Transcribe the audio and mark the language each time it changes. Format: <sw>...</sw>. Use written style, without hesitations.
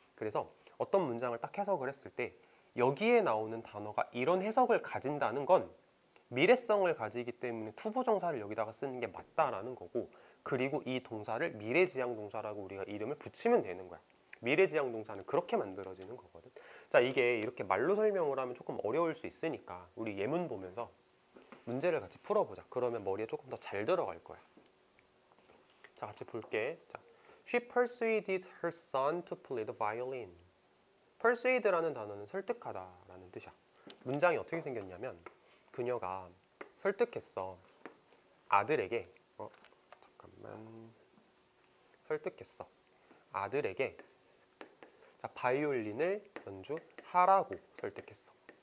<ko>그래서 어떤 문장을 딱 해석을 했을 때 여기에 나오는 단어가 이런 해석을 가진다는 건 미래성을 가지기 때문에 투부정사를 여기다가 쓰는 게 맞다라는 거고 그리고 이 동사를 미래지향동사라고 우리가 이름을 붙이면 되는 거야. 미래지향동사는 그렇게 만들어지는 거거든. 자, 이게 이렇게 말로 설명을 하면 조금 어려울 수 있으니까 우리 예문 보면서 문제를 같이 풀어보자. 그러면 머리에 조금 더 잘 들어갈 거야. 자, 같이 볼게.</ko> <en>자, She persuaded her son to play the violin.</en> <ko>Persuade라는 단어는 설득하다 라는 뜻이야. 문장이 어떻게 생겼냐면 그녀가 설득했어. 아들에게 설득했어. 아들에게 자, 바이올린을 연주하라고 설득했어.</ko>